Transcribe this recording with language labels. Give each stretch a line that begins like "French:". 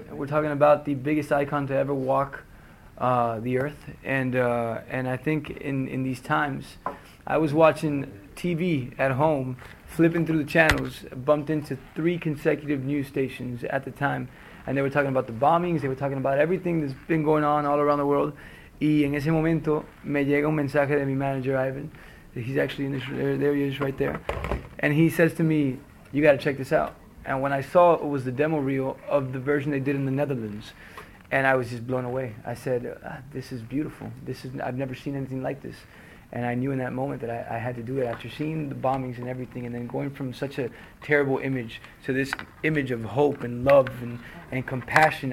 English: We're talking about the biggest icon to ever walk the earth. And I think in these times, I was watching TV at home, flipping through the channels, bumped into three consecutive news stations at the time. And they were talking about the bombings. They were talking about everything that's been going on all around the world.
Spanish: Y en ese momento me llega un mensaje de mi manager, Ivan.
English: He's actually in this, there he is right there. And he says to me, you got to check this out. And when I saw it was the demo reel of the version they did in the Netherlands, and I was just blown away. I said, this is beautiful. I've never seen anything like this. And I knew in that moment that I had to do it after seeing the bombings and everything, and then going from such a terrible image to this image of hope and love and compassion.